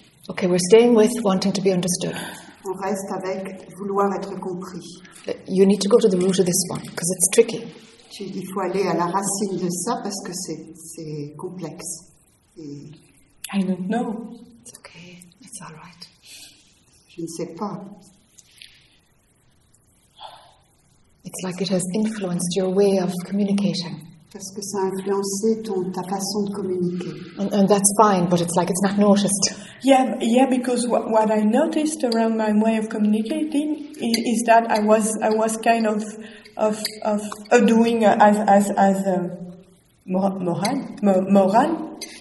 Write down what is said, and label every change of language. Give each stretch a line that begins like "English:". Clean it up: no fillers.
English: Okay, we're staying with wanting to be understood.
French: On reste avec vouloir être compris.
English: You need to go to the root of this one, because it's tricky.
French: Il faut aller à la racine de ça, parce que c'est complexe.
English: I don't know. It's okay. It's all right.
French: Je ne sais pas.
English: It's like it has influenced your way of communicating.
French: Parce que ça a influencé ta façon de communiquer.
English: And that's fine, but it's like it's not noticed. Yeah, because what I noticed around my way of communicating is that I was kind of a doing as a moral.